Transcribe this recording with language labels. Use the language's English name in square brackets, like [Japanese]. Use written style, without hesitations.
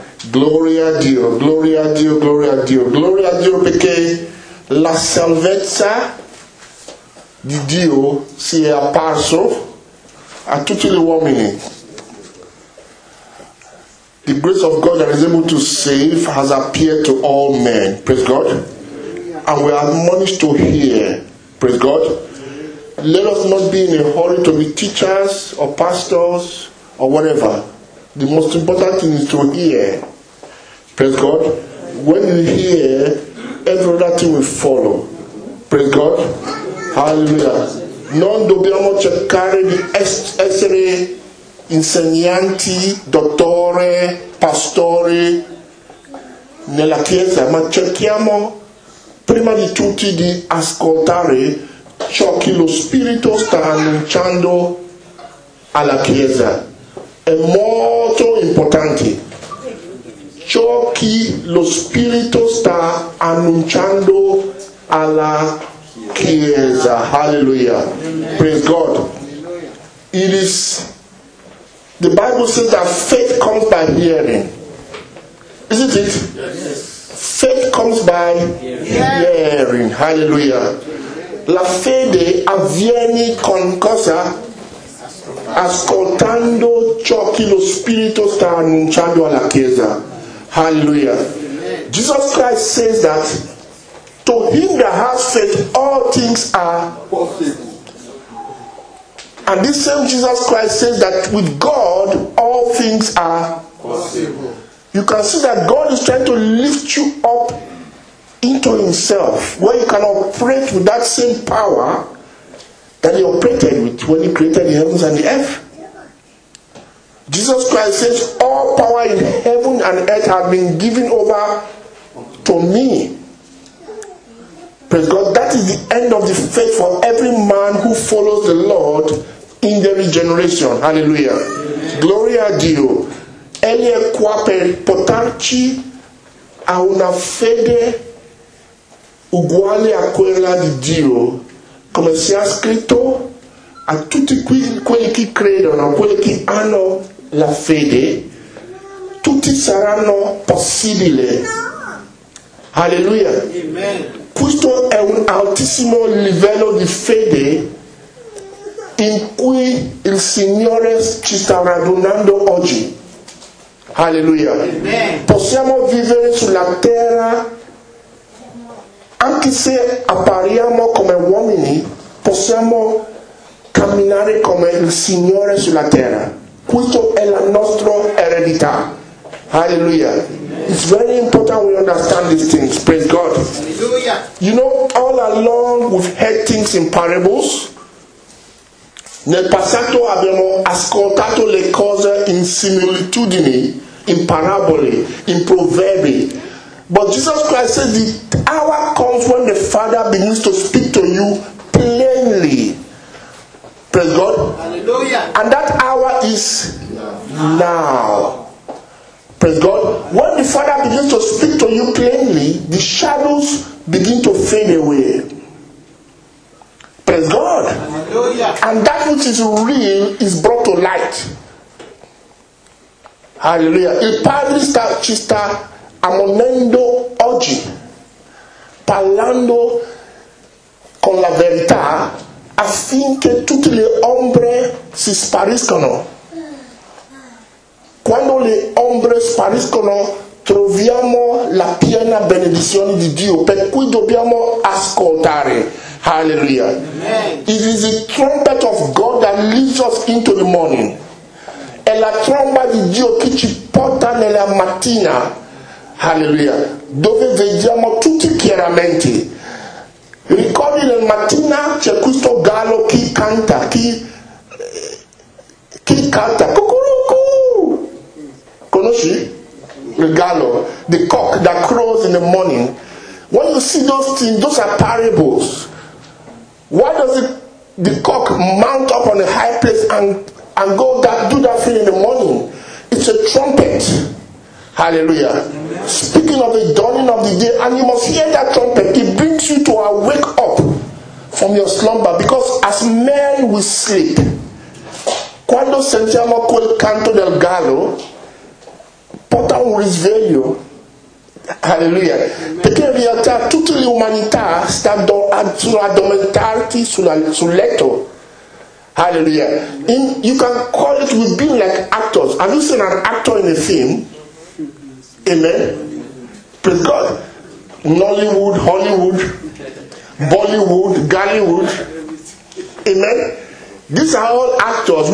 [Italian] Gloria a Dio, gloria a Dio, gloria a Dio, gloria a Dio, perché la salvezza di Dio si è apparso a tutti gli uomini. [English] The grace of God that is able to save has appeared to all men. Praise God. And we are admonished to hear. Praise God. Let us not be in a hurry to be teachers or pastors or whatever. The most important thing is to hear. Praise God. When you hear, every other thing will follow. Praise God. Hallelujah. [Italian] Non dobbiamo cercare di essere insegnanti, dottore, pastore nella chiesa, ma cerchiamo prima di tutti di ascoltare ciò che lo Spirito sta annunciando alla chiesa. È molto importante. Ciò che lo Spirito sta annunciando alla chiesa. [English] Hallelujah. Praise God. It is, the Bible says that faith comes by hearing. Isn't it? Yes. Faith comes by hearing. Hallelujah. [Italian] La fede avviene con cosa? Ascoltando ciò che lo Spirito sta annunciando alla chiesa. Hallelujah. Amen. [English] Jesus Christ says that to him that has faith, all things are possible. And this same Jesus Christ says that with God, all things are possible. You can see that God is trying to lift you up into himself, where you can operate with that same power that he operated with when he created the heavens and the earth. Jesus Christ says, all power in heaven and earth have been given over to me. Praise God. That is the end of the faith for every man who follows the Lord in the regeneration. Hallelujah. Amen. [Italian] Gloria a Dio. Elie qua per portarci a una fede uguale a quella di Dio. Come si è scritto a tutti quelli che credono, a quelli che hanno la fede, tutti saranno possibili. Hallelujah. Amen. Questo è un altissimo livello di fede in cui il Signore ci sta radunando oggi. Hallelujah. Amen. Possiamo vivere sulla terra anche se appariamo come uomini, possiamo camminare come il Signore sulla terra. Questo è la nostra eredità. Hallelujah. Amen. [English] It's very important we understand these things. Praise God. Hallelujah. You know, all along we've heard things in parables. [Italian] Nel passato abbiamo ascoltato le cose in similitudini, in parabole, in proverbi. [English] But Jesus Christ says the hour comes when the Father begins to speak to you plainly. Praise God. Hallelujah. And that hour is now. Praise God. When the Father begins to speak to you plainly, the shadows begin to fade away. Praise God. Hallelujah. And that which is real is brought to light. Hallelujah. [Italian] Il Padre ci sta ammonendo oggi, parlando con la verità, affinché tutte le ombre si spariscono. Quando le ombre spariscono, troviamo la piena benedizione di Dio, per cui dobbiamo ascoltare. Hallelujah. Amen. [English] It is the trumpet of God that leads us into the morning. [Italian] È la tromba di Dio che ci porta nella mattina. Hallelujah. Dove vediamo tutti chiaramente. Ricordi nel mattina c'è questo gallo che canta, chi canta? Cucurucu! Conosci? [English] regalo, the cock that crows in the morning. When you see those things, those are parables. Why does the cock mount up on a high place and go that do that thing in the morning? It's a trumpet. Hallelujah. Speaking of the dawning of the day, and you must hear that trumpet. It brings you to awake up from your slumber, because as men we sleep, [Italian] quando sentiamo quel canto del gallo, porta un risveglio. [English] Hallelujah. [Italian] Perché in realtà tutta l'umanità sta addormentarti sul letto. Hallelujah. [English] You can call it with being like actors. Have you seen an actor in a film? Amen. Praise God. Nollywood, Hollywood, Bollywood, Gallywood. Amen. These are all actors.